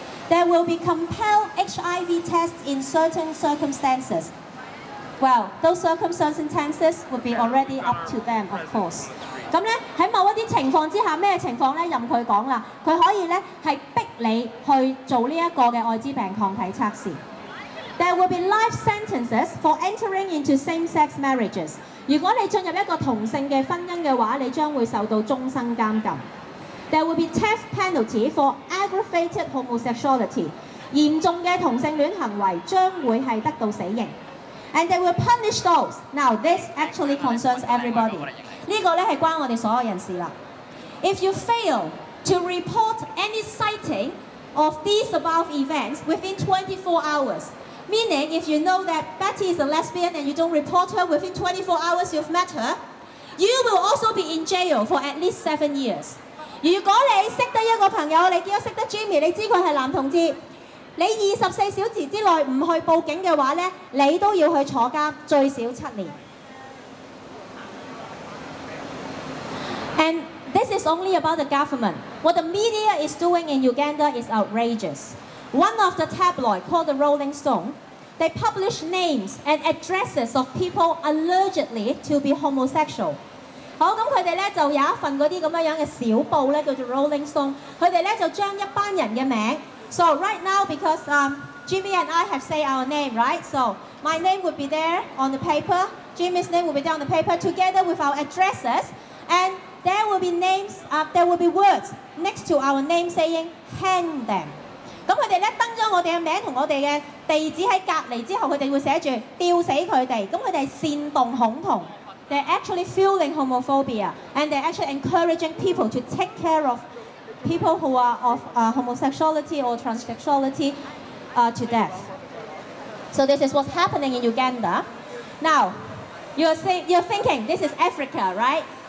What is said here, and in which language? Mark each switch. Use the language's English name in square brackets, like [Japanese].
[English] There will be compelled HIV tests in certain circumstances. Well, those circumstances would be already up to them, of course. [Cantonese] 咁咧喺某一啲情況之下，咩情況咧？任佢講啦，佢可以咧係逼你去做呢一個嘅艾滋病抗體測試。 [English] There will be life sentences for entering into same-sex marriages. [Cantonese] 如果你進入一個同性嘅婚姻嘅話，你將會受到終生監禁。 [English] There will be death penalty for aggravated homosexuality. [Cantonese] 嚴重嘅同性戀行為將會係得到死刑。 [English] And they will punish those. Now this actually concerns everybody. [Cantonese] 呢個咧係關我哋所有人事啦。 [English] If you fail to report any sighting of these above events within 24 hours, meaning if you know that Betty is a lesbian and you don't report her within 24 hours you've met her, you will also be in jail for at least 7 years. [Cantonese] 如果你識得一個朋友，你見到識得 Jimmy， 你知佢係男同志，你24小時之內唔去報警嘅話咧，你都要去坐監最少7年。 [English] And this is only about the government. What the media is doing in Uganda is outrageous. One of the tabloid called the Rolling Stone, they publish names and addresses of people allegedly to be homosexual. [Cantonese] 好，咁佢哋咧就有一份嗰啲咁樣樣嘅小報咧，叫做 Rolling Stone。佢哋咧就將一班人嘅名。 [English] So right now, because Jimmy and I have say our name, right? So my name would be there on the paper. Jimmy's name would be there on the paper together with our addresses, and there will be names. There will be words next to our name saying hang them. [Cantonese] 咁佢哋咧登咗我哋嘅名同我哋嘅地址喺隔離之後，佢哋會寫住吊死佢哋。咁佢哋係煽動恐同。 [English] They're actually fueling homophobia, and they're actually encouraging people to take care of people who are of homosexuality or transsexuality to death. So this is what's happening in Uganda. Now, you're thinking this is Africa, right?